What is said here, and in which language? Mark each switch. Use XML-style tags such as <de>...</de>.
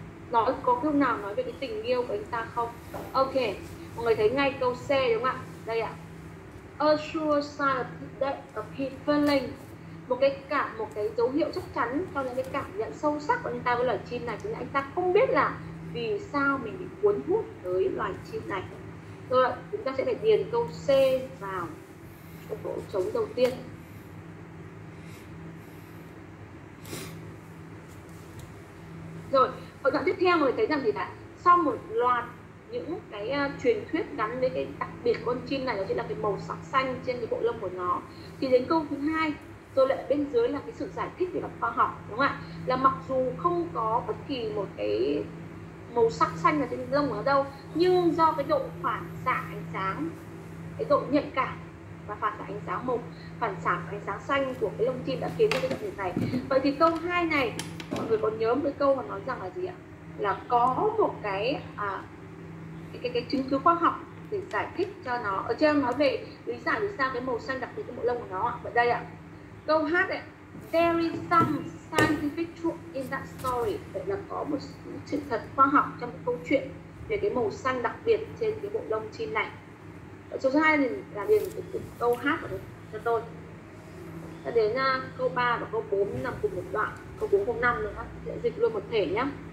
<vi>nói có lúc nào nói về cái tình yêu của anh ta không? Ok, mọi người thấy ngay câu C đúng không ạ? Đây ạ.</vi> <en>A sure sign of that of his feeling.</en> <vi>Một cái dấu hiệu chắc chắn cho những cái cảm nhận sâu sắc của anh ta với loài chim này, chính là anh ta không biết là vì sao mình bị cuốn hút tới loài chim này. Rồi, chúng ta sẽ phải điền câu C vào chỗ trống đầu tiên. Rồi, ở đoạn tiếp theo mọi người thấy rằng gì ạ? Sau một loạt những cái truyền thuyết gắn với cái đặc biệt con chim này, đó chính là cái màu sắc xanh trên cái bộ lông của nó, thì đến câu thứ hai rồi lại bên dưới là cái sự giải thích về mặt khoa học, đúng không ạ? Là mặc dù không có bất kỳ một cái màu sắc xanh ở trên lông ở đâu, nhưng do cái độ phản xạ ánh sáng, cái độ nhạy cảm và phản xạ ánh sáng màu, phản xạ ánh sáng xanh của cái lông chim đã khiến cho cái đặc điểm này. Vậy thì câu 2 này mọi người có nhớ một cái câu mà nói rằng là gì ạ? Là có một cái cái chứng cứ khoa học để giải thích cho nó, ở trên nói về lý giải vì sao cái màu xanh đặc biệt trên bộ lông của nó ạ. Vậy đây ạ. Câu hát ấy,</vi> <en>there is some scientific truth in that story.</en> <vi>Vậy là có một sự thật khoa học trong một câu chuyện về cái màu xanh đặc biệt trên cái bộ lông chim này. Và số 2 là điền câu hát của mình cho tôi. Ta đến câu 3 và câu 4 nằm cùng một đoạn, câu 4, câu 5 nữa, sẽ dịch luôn một thể nhé.</vi>